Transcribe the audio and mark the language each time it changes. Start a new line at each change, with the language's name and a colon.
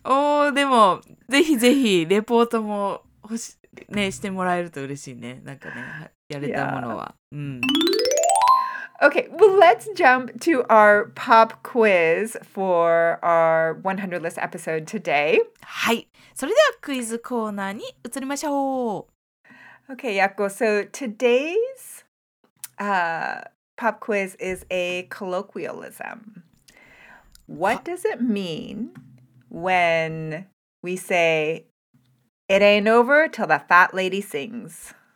Japanese: Oh, でもぜひぜひレポートも欲し、ね、してもらえると嬉しいね。なんかね、やれたものは。
English: Okay, well, let's jump to our pop quiz for our 100 list episode today.
Japanese: はい、それではクイズコーナーに移りましょう。
English: Okay, Yakko. So today's pop quiz is a colloquialism. What does it mean when we say, it ain't over till the fat lady sings?